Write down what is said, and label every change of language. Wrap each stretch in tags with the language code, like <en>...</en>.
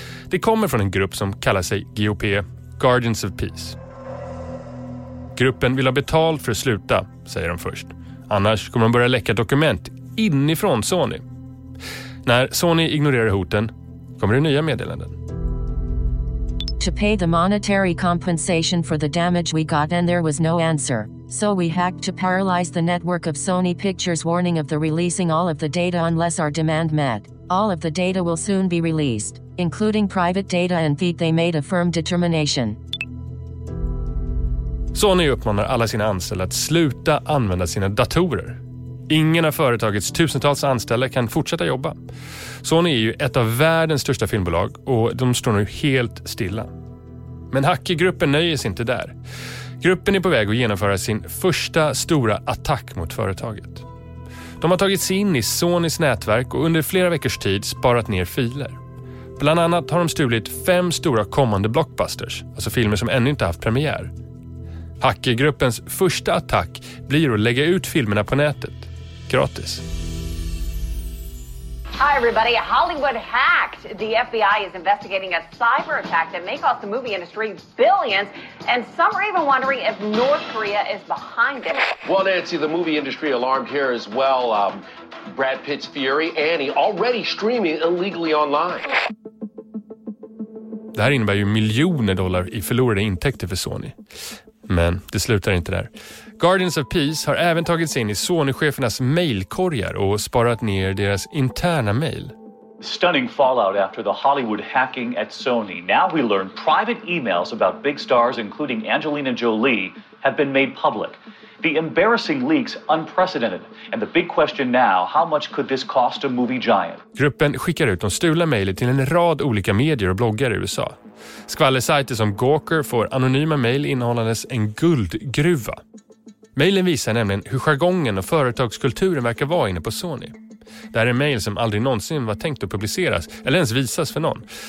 <sv>Det kommer från en grupp som kallar sig GOP, Guardians of Peace. Gruppen vill ha betalt för att sluta, säger de först. Annars kommer de börja läcka dokument inifrån Sony. När Sony ignorerar hoten kommer det nya meddelanden.</sv> <en>To pay the monetary compensation for the damage we got and there was no answer. So we hacked to paralyze the network of Sony Pictures warning of the releasing all of the data unless our demand met. All of the data will soon be released, including private data and feed they made a firm determination.</en> <sv>Sony uppmanar alla sina anställda att sluta använda sina datorer. Ingen av företagets tusentals anställda kan fortsätta jobba. Sony är ju ett av världens största filmbolag och de står nu helt stilla. Men hackergruppen nöjer sig inte där. Gruppen är på väg att genomföra sin första stora attack mot företaget. De har tagit sig in i Sonys nätverk och under flera veckors tid sparat ner filer. Bland annat har de stulit 5 stora kommande blockbusters, alltså filmer som ännu inte haft premiär. Hackergruppens första attack blir att lägga ut filmerna på nätet, gratis.</sv> <en>Hi everybody, Hollywood hacked. The FBI is investigating a cyber attack that may cost the movie industry billions. And some are even wondering if North Korea is behind it. Well, Nancy, the movie industry alarmed here as well. Brad Pitt's Fury, Annie, already streaming illegally online.</en> <sv>Det här innebär ju miljoner dollar i förlorade intäkter för Sony. Men det slutar inte där. Guardians of Peace har även tagit sig in i Sony-chefernas mailkorgar och sparat ner deras interna mail.</sv> <en>Stunning fallout after the Hollywood hacking at Sony. Now we learn private emails about big stars including Angelina Jolie have been made public. The embarrassing leaks unprecedented and the big question now, how much could this cost a movie giant?</en> <sv>Gruppen skickar ut de stulna mailen till en rad olika medier och bloggar i USA. Skvallersajter som Gawker får anonyma mejl innehållandes en guldgruva. Mejlen visar nämligen hur jargongen och företagskulturen verkar vara inne på Sony. Det här är mejl som aldrig någonsin var tänkt att publiceras eller ens visas för någon.</sv>